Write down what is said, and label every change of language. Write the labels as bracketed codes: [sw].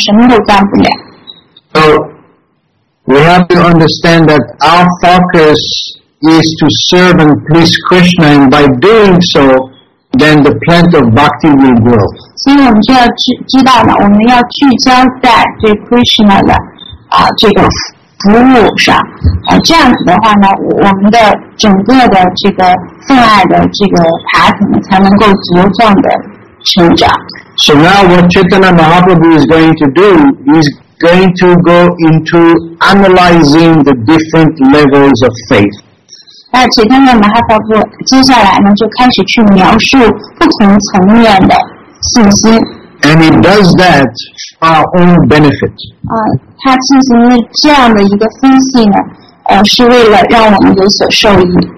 [zh] 然后他们才恍然大悟，原来是必须要给胃先吃东西，否则的话呢，身体就会非常的虚弱，那我们也没有力量，什么都干不了。 [en] So we have to understand that our focus is to serve and please Krishna, and by doing so, then the plant of bhakti will grow. [zh] 所以我们就要知道呢，我们要聚焦在对Krishna的这个服务上。这样子的话呢，我们的整个的这个分爱的这个path才能够茁壮的成长。 [en] So now what Chaitanya Mahaprabhu is going to do, he's going to go into analyzing the different levels of faith. And he does that for our own benefit.